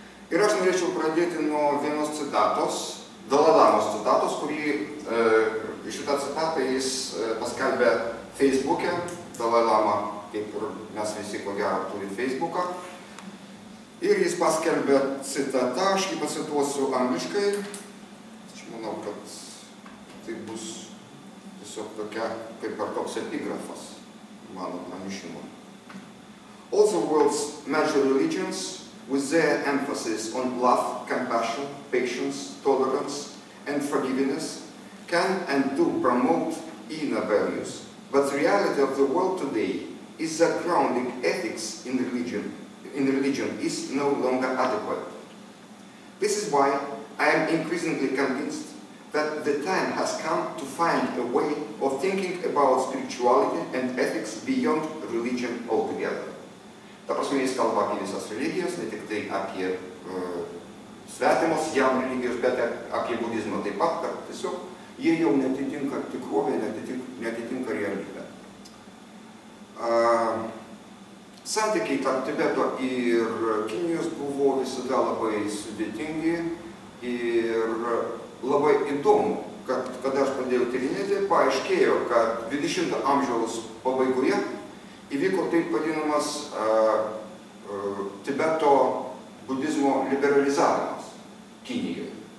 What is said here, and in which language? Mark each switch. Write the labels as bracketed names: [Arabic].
[Lithuanian] Ir aš norėčiau pradėti nuo vienos citatos, Dalai Lamos citatos, kurį šitą citatą jis paskelbė Facebook'e, Dalai Lama, kaip ir mes visi ko gero turi Facebook'ą. Ir jis paskelbė citatą, aš jį pacituosiu angliškai. Aš manau, kad tai bus tiesiog tokia, kaip ir toks epigrafas mano pranešimo. [English] All the world's major religions, with their emphasis on love, compassion, patience, tolerance, and forgiveness, can and do promote inner values. But the reality of the world today is that grounding ethics in religion is no longer adequate. This is why I am increasingly convinced that the time has come to find a way of thinking about spirituality and ethics beyond religion altogether. [Lithuanian] Ta prasme, jis kalba apie visas religijas, ne tik tai apie svetimos jam religijos, bet apie budizmą taip pat, kad tiesiog jie jau netitinka tikrovė, netitinka realybė. Santykiai tarp Tibeto ir Kinijos buvo visada labai sudėtingi ir labai įdomu, kad kada aš pradėjau tyrinėti, paaiškėjo, kad 20 amžiaus pabaigoje įvyko taip vadinamas Tibeto budizmo liberalizavimas Kinijoje.